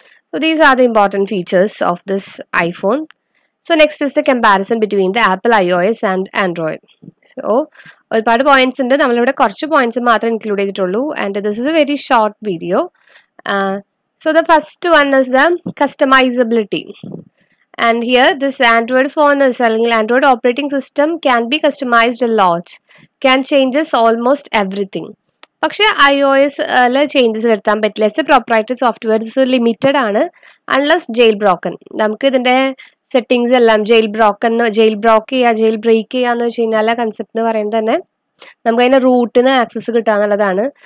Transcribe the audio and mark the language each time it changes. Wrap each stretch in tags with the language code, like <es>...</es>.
<en>So these are the important features of this iPhone. So next is the comparison between the Apple iOS and Android.</en> <ml>So ഒരുപാട് points ഉണ്ട്, നമ്മളിവിടെ കുറച്ച് points മാത്രം include ചെയ്തിട്ടുള്ളൂ,</ml> <en>And this is a very short video. So the first one is the customisability. And here, this Android phone is selling, Android operating system can be customized a lot, can changes almost everything.</en> <ml>പക്ഷേ I O S changes വരുത്താൻ പറ്റില്ല, S പ്രോപ്രൈറ്ററി softwares limited ആണ്,</ml> <en>Unless jail broken.</en> <ml>നമുക്ക് ഇതിൻ്റെ settings എല്ലാം jail broken, jail ബ്രോക്ക് ചെയ്യുക, jail break ചെയ്യുക എന്ന് വെച്ച് കഴിഞ്ഞാൽ ആ കൺസെപ്റ്റ് എന്ന് പറയുന്നത് തന്നെ നമുക്ക് അതിൻ്റെ റൂട്ടിന് ആക്സസ് കിട്ടുക എന്നുള്ളതാണ്.</ml>